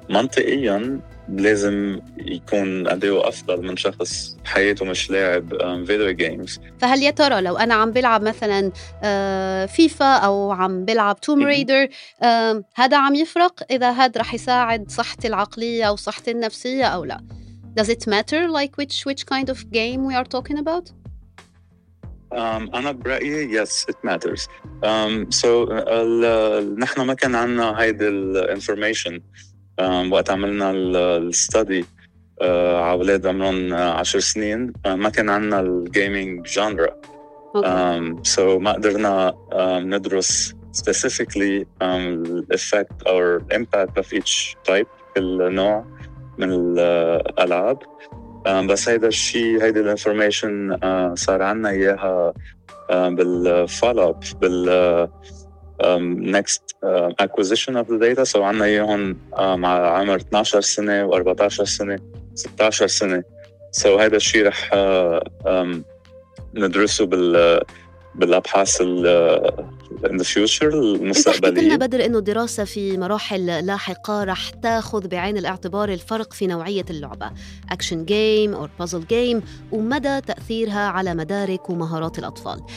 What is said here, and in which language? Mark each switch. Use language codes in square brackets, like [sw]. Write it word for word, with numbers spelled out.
[ar] منطقيا لازم يكون أداؤه أفضل من شخص حياته مش لاعب فيديو جيمز. فهل يا ترى لو أنا عم بلعب مثلا فيفا أو عم بلعب توم ريدر هذا عم يفرق؟ إذا هذا رح يساعد صحتي العقلية أو صحتي النفسية أو لا؟ [en] Does it matter like which which kind of game we are talking about? Um, [ar] أنا برأيي [en] yes it matters. [ar] Um, so ال نحنا ما كان عنا هيدا ال information Um, وقت عملنا الستادي uh, على أولاد عمرهم عشر سنين uh, ما كان عندنا الجيمينج جانرا، سو ما قدرنا um, ندرس [en] specifically um, effect or impact of each type [ar] كل نوع من الألعاب. um, بس هيدا الشيء هيدا الانفورميشن uh, صار عنا إياها بالفولو اب بال [en] next uh, acquisition of the data. [ar] So عنا إياهم uh, مع عمر اثنا عشر سنة وأربعة عشر سنة ستة عشر سنة. So هذا الشيء رح uh, um, ندرسه بال بالأبحاث [en] in the future [ar] المستقبلية. قلنا بدر إنه الدراسة في مراحل لاحقة رح تاخذ بعين الاعتبار الفرق في نوعية اللعبة أكشن جيم أو بازل جيم ومدى تأثيرها على مدارك ومهارات الأطفال.